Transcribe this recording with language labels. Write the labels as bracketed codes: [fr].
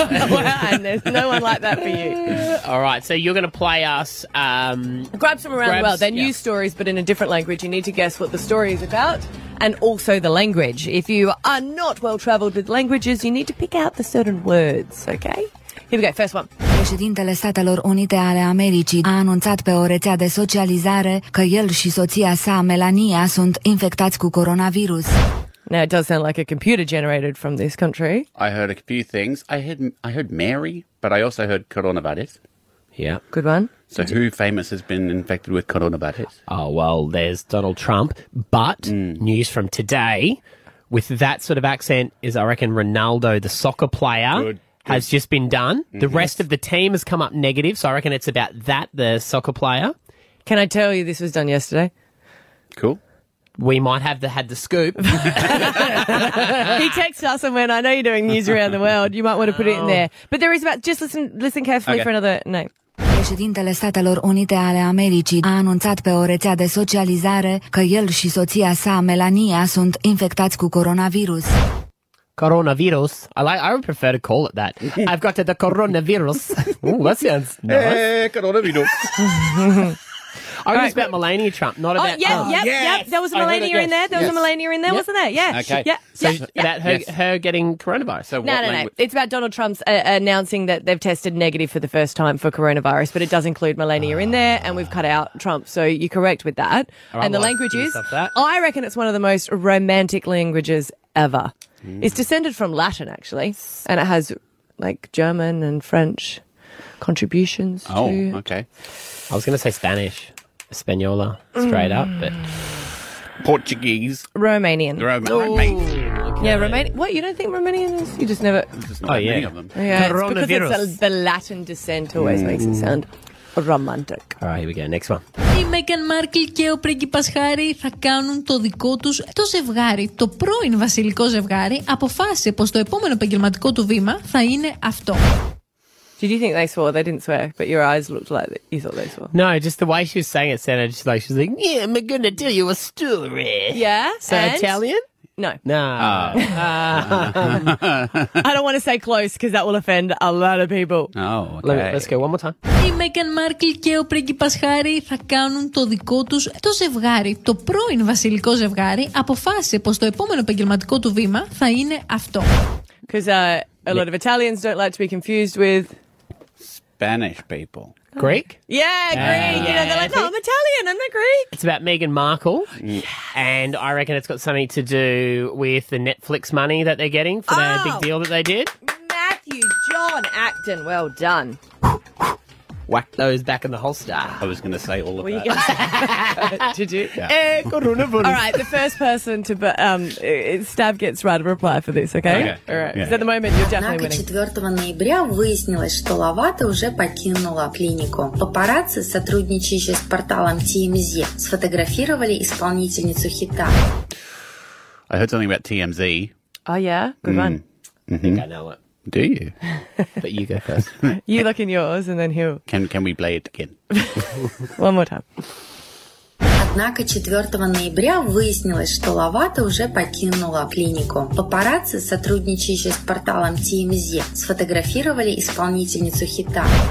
[en] And there's no one like that for you. All right, so you're going to play us... grab some around the world. They're news stories, but in a different language. You need to guess what the story is about. And also the language. If you are not well-travelled with languages, you need to pick out the certain words, okay? Here we go, first one. [ro] Președintele Statelor Unite ale Americii a anunțat pe o rețea de socializare că el și soția sa, Melania, sunt infectați cu coronavirus. [en] Now, it does sound like a computer generated from this country. I heard a few things. I heard Mary, but I also heard coronavirus. Yeah. Good one. So who famous has been infected with coronavirus? Oh, well, there's Donald Trump. But news from today, with that sort of accent, is I reckon Ronaldo, the soccer player, has just been done. Mm-hmm. The rest of the team has come up negative. So I reckon it's about that, the soccer player. Can I tell you this was done yesterday? Cool. We might have had the scoop. He texted us and went, I know you're doing news around the world. You might want to put it in there. But there is about, just listen carefully for another name. [ro] Președintele Statelor Unite ale Americii a anunțat pe o rețea de socializare că el și soția sa, Melania, sunt infectați cu coronavirus. [en] Coronavirus? I would prefer to call it that. I've got the coronavirus. Ooh, that sounds nice. Coronavirus. I was about Melania Trump, not about... Oh, yep. There was a Melania in there. There was a Melania in there, wasn't there? Yeah. Okay. About her getting coronavirus. So No. It's about Donald Trump's announcing that they've tested negative for the first time for coronavirus, but it does include Melania in there, and we've cut out Trump. So you're correct with that. Right, and the language is... I reckon it's one of the most romantic languages ever. Mm. It's descended from Latin, actually, and it has, like, German and French contributions to... Oh, okay. I was going to say Spanish. Española, straight up, but... Portuguese. Romanian. Romanian. Okay. Yeah, Romanian. What, you don't think Romanian is? You just never... There's just not many of them. Yeah, coronavirus. It's because the Latin descent always makes it sound romantic. All right, here we go. Next one. [el] Η Μέγαν Μάρκελ και ο πρίγκιπας Χάρι θα κάνουν το δικό τους το ζευγάρι. Το πρώην βασιλικό ζευγάρι αποφάσισε πως το επόμενο επαγγελματικό του βήμα θα είναι αυτό. [en] Did you think they swore? They didn't swear, but your eyes looked like you thought they swore. No, just the way she was saying it sounded just like she was like, yeah, I'm going to tell you a story. Yeah? So and? Italian? No. No. I don't want to say close because that will offend a lot of people. Oh, okay. Let's go one more time. [el] Η Μέγαν Μάρκελ και ο πρίγκιπας Χάρι θα κάνουν το δικό τους το ζευγάρι. Το πρώην βασιλικό ζευγάρι αποφάσισε πως το επόμενο επαγγελματικό του βήμα θα είναι αυτό. [en] Because a lot of Italians don't like to be confused with... Spanish people. Greek? Yeah, Greek. You know, they're like, no, I'm Italian, I'm not Greek. It's about Meghan Markle. Yes. And I reckon it's got something to do with the Netflix money that they're getting for their big deal that they did. Matthew John Acton, well done. Whack those back in the holster. I was going to say all of Were that. You say? Did you? Yeah. Coronavirus. All right, the first person to... Stav gets right a reply for this, okay? Okay. All right. Yeah, at the moment, you're definitely winning. [ru] 4 ноября выяснилось, что Ловато уже покинула клинику. Папарацци, сотрудничающие с порталом TMZ, сфотографировали исполнительницу хита. [en] I heard something about TMZ. Oh, yeah? Good one. Mm-hmm. I think I know it. Do you? But you go first. You look in yours and then he'll... Can we play it again? One more time. [ru] Однако 4 ноября выяснилось, что Ловато уже покинула клинику. Папарацци, сотрудничающие с порталом TMZ, сфотографировали исполнительницу хита.